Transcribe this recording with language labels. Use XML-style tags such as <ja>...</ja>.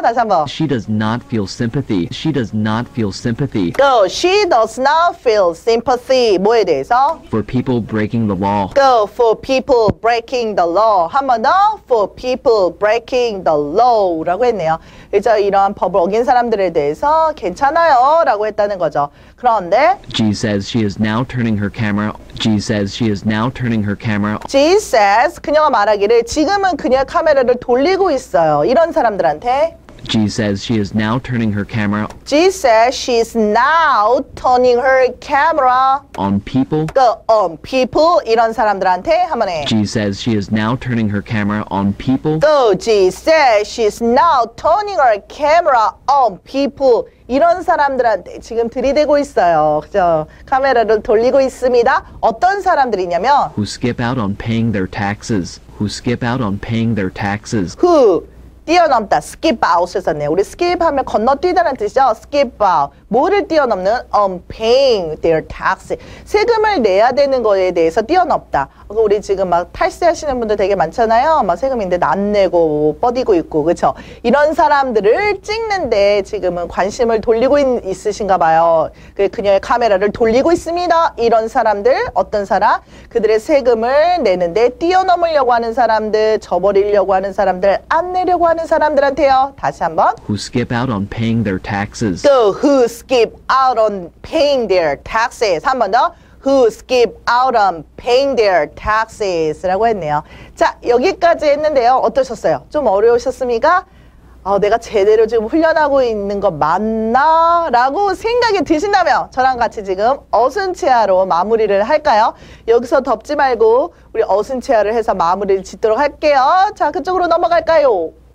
<ko>다시 한번.</ko> <en>She does not feel sympathy. She does not feel sympathy. Go. She does not feel sympathy.</en> <ko>뭐에 대해서?</ko> <en>For people breaking the law. Go. For people breaking the law.</en> <ko>한 번 더.</ko> <en>For people breaking the law라고 했네요.</en> <ko>이제 이러한 법을 어긴 사람들에 대해서 괜찮아요라고 했다는 거죠. 그런데</ko> <en>G says she is now turning her camera. G says she is now turning her camera. G says</en> <ko>그녀가 말하기를 지금은 그녀 카메라를 돌리고 있어요. 이런 사람들한테</ko> <en>G says she is now turning her camera. G says she is now turning her camera on people. On people</en> <ko>이런 사람들한테 한번 해.</ko> <en>G says she is now turning her camera on people. G says she is now turning her camera on people.</en> <ko>이런 사람들한테 지금 들이대고 있어요. 그죠? 카메라를 돌리고 있습니다. 어떤 사람들이냐면</ko> <en>who skip out on paying their taxes. Who skip out on paying their taxes.</en> <ko>Who 뛰어넘다, skip out 했었네요. 우리 skip 하면 건너뛰다는 뜻이죠.</ko> <en>skip out.</en> <ko>뭐를 뛰어넘는?</ko> <en>on paying their taxes.</en> <ko>세금을 내야 되는 거에 대해서 뛰어넘다. 우리 지금 막 탈세하시는 분들 되게 많잖아요. 막 세금인데 안 내고 뻗이고 있고, 그쵸? 이런 사람들을 찍는데 지금은 관심을 돌리고 있으신가 봐요. 그녀의 카메라를 돌리고 있습니다. 이런 사람들, 어떤 사람? 그들의 세금을 내는데 뛰어넘으려고 하는 사람들, 저버리려고 하는 사람들, 안 내려고 하는 사람들한테요. 다시 한번.</ko> <en>Who skip out on paying their taxes. So who skip out on paying their taxes.</en> <ko>한 번 더.</ko> <en>Who skip out on paying their taxes.</en> <ko>라고 했네요. 자, 여기까지 했는데요. 어떠셨어요? 좀 어려우셨습니까? 내가 제대로 지금 훈련하고 있는 거 맞나? 라고 생각이 드신다면 저랑 같이 지금 어순체하로 마무리를 할까요? 여기서 덮지 말고 우리 어순체하를 해서 마무리를 짓도록 할게요. 자, 그쪽으로 넘어갈까요?</ko>